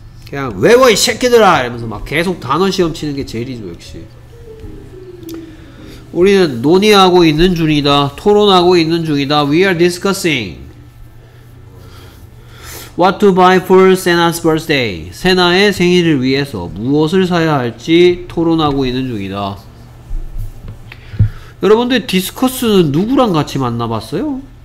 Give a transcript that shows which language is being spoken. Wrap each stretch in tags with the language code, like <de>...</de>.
<ko>그냥 외워 이 새끼들아 이러면서 막 계속 단어 시험 치는 게 제일이죠. 역시 우리는 논의하고 있는 중이다. 토론하고 있는 중이다.</ko> <en>We are discussing what to buy for Senna's birthday.</en> <ko>세나의 생일을 위해서 무엇을 사야 할지 토론하고 있는 중이다. 여러분들 디스커스는 누구랑 같이 만나봤어요?</ko>